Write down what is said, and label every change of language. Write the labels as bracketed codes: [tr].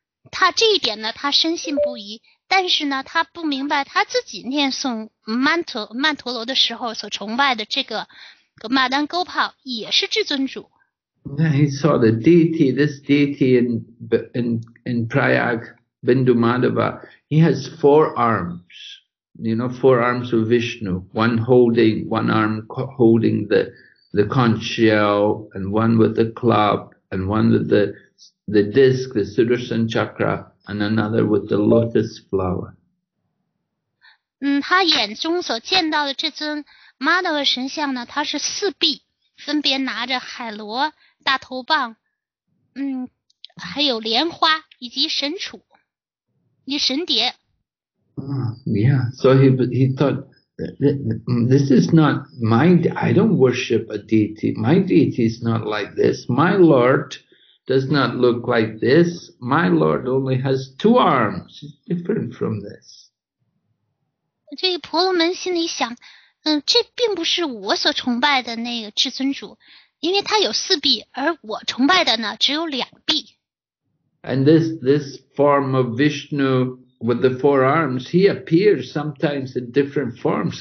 [zh] 他这一点呢，他深信不疑，但是呢，他不明白他自己念诵曼陀罗的时候所崇拜的这个马丹勾炮也是至尊主。 [en] Yeah, he saw the deity, this deity in Prayag, Bindu Madhava, he has four arms, you know, four arms of Vishnu, one arm holding the conch shell, and one with the club, and one with the disc, the Sudarshan Chakra, and another with the lotus flower. [zh] 他眼中所见到的这尊 Madhava 神像呢，他是四臂，分别拿着海螺、大头棒，还有莲花以及神杵，以及神碟。 [en] Yeah, so he thought, this is not my deity. I don't worship a deity. My deity is not like this. My Lord does not look like this. My Lord only has two arms. It's different from this. [zh] 这个婆罗门心里想，这并不是我所崇拜的那个至尊主，因为他有四臂，而我崇拜的呢只有两臂。 [en] And this form of Vishnu with the four arms, he appears sometimes in different forms.